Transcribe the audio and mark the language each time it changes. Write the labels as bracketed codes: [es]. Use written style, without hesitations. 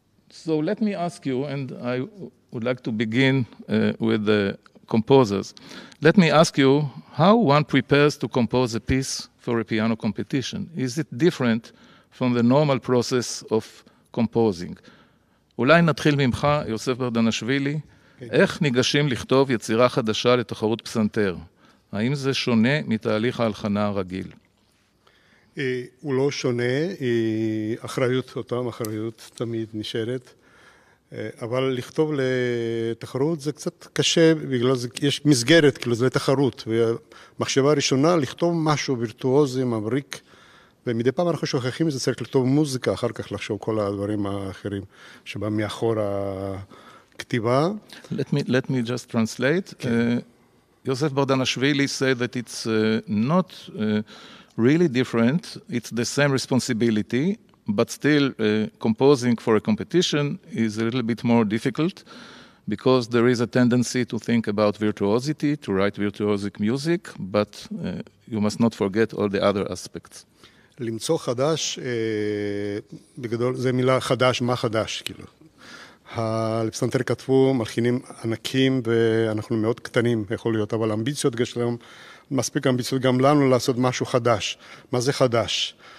[en] So let me ask you, and I would like to begin with the composers. Let me ask you how one prepares to compose a piece for a piano competition. Is it different from the normal process of composing? [he] אולי נתחיל ממך, יוסף ברדנשווילי, איך ניגשים לכתוב יצירה חדשה לתחרות פסנתר? האם זה שונה מתהליך ההלחנה הרגיל? הוא לא שונה, אחריות אותם, אחריות תמיד נשארת. אבל לכתוב לתחרות זה קצת קשה, בגלל זה יש מסגרת, כאילו זה תחרות. והמחשבה הראשונה, לכתוב משהו וירטואוזי, מבריק, ומדי פעם אנחנו שוכחים את זה, צריך לכתוב מוזיקה, אחר כך לחשוב כל הדברים האחרים שבא מאחור הכתיבה. [en] Let me just translate. Josef Bardanashvili said that it's not really different, it's the same responsibility, but still composing for a competition is a little bit more difficult because there is a tendency to think about virtuosity, to write virtuosic music, but you must not forget all the other aspects. [he] למצוא חדש, בגדול, זה מילה חדש, מה חדש, כאילו. הלפסנתר כתבו מלחינים ענקים ואנחנו מאוד קטנים, יכול להיות, אבל אמביציות יש להם, מספיק אמביציות גם לנו לעשות משהו חדש. מה זה חדש?